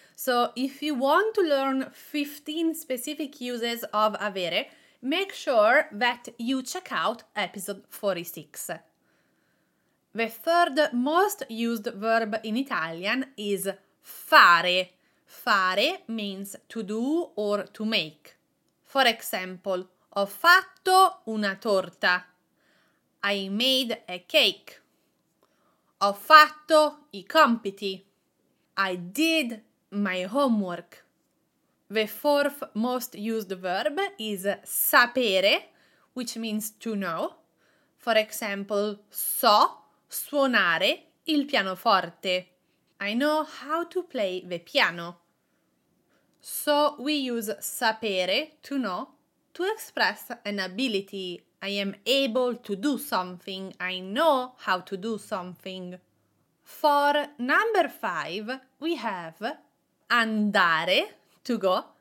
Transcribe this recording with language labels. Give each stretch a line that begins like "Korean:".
English: So if you want to learn 15 specific uses of avere, make sure that you check out episode 46. The third most used verb in Italian is fare. Fare means to do or to make. For example,
Italian: ho fatto una torta.
English: I made a cake.
Italian: Ho fatto i compiti.
English: I did my homework. The fourth most used verb is sapere, which means to know. For example,
Italian: so suonare il pianoforte.
English: I know how to play the piano. So we use sapere, to know, to express an ability. I am able to do something. I know how to do something. For number 5, we have andare, to go.